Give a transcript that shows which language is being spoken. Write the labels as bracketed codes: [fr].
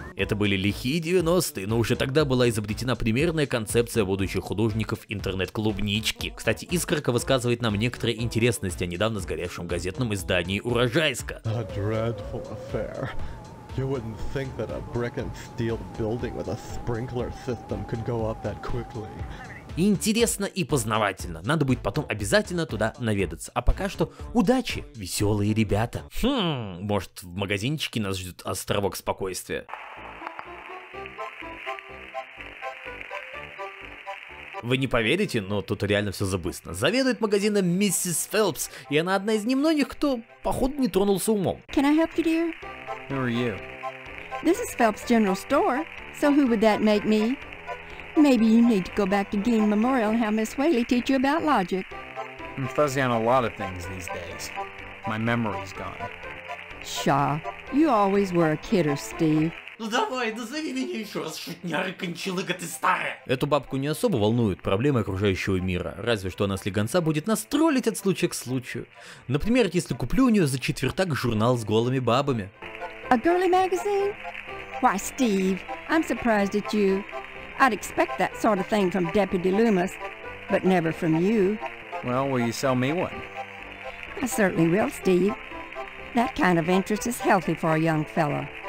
[ru] Это были лихие 90-е, но уже тогда была изобретена примерная концепция будущих художников интернет-клубнички. Кстати, Искорка высказывает нам некоторые интересности о недавно сгоревшем газетном издании Урожайска. [en] A dreadful affair. You wouldn't think that a brick and steel building with a sprinkler system could go up that quickly. [ru] Интересно и познавательно. Надо будет потом обязательно туда наведаться. А пока что удачи, веселые ребята. Может, в магазинчике нас ждет островок спокойствия. Вы не поверите, но тут реально все забыстно. Заведует магазином миссис Фелпс, и она одна из немногих, кто, походу, не тронулся умом. [en] Can I help you, dear? Who are you? This is Phelps General Store, so who would that make me? Maybe you need to go back to Dean Memorial and have Miss Whaley teach you about logic. I'm fuzzy on a lot of things these days. My memory's gone. Shaw, you always were a kidder, Steve. [ru] Ну давай, назови меня еще раз, шутняры, кончалыга, ты старая! Эту бабку не особо волнуют проблемы окружающего мира, разве что она слегонца будет нас троллить от случая к случаю. Например, если куплю у нее за четвертак журнал с голыми бабами. [en] A girly magazine? Why, Steve, I'm surprised at you. I'd expect that sort of thing from Deputy Loomis, but never from you. Well, will you sell me one? I certainly will, Steve. That kind of interest is healthy for a young fella.